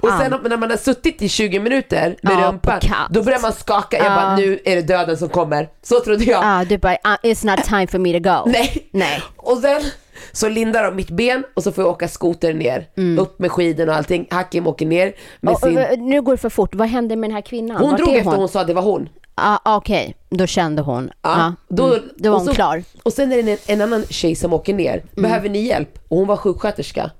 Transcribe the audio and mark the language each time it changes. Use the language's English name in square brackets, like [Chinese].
[Swedish] Och sen när man har suttit i 20 minuter med rumpan, då börjar man skaka. Jag bara, nu är det döden som kommer. Så trodde jag. Du bara, [English] it's not time for me to go. [Swedish] Nej. Och sen så lindar de mitt ben, och så får jag åka skoter ner. Upp med skiden och allting. Hakim åker ner med Nu går det för fort. Vad hände med den här kvinnan? Hon drog efter, hon sa det var hon. Okej. Då kände hon. Ja, då, då var hon och så, klar. Och sen är det en annan tjej som åker ner. Behöver ni hjälp? Och hon var sjuksköterska.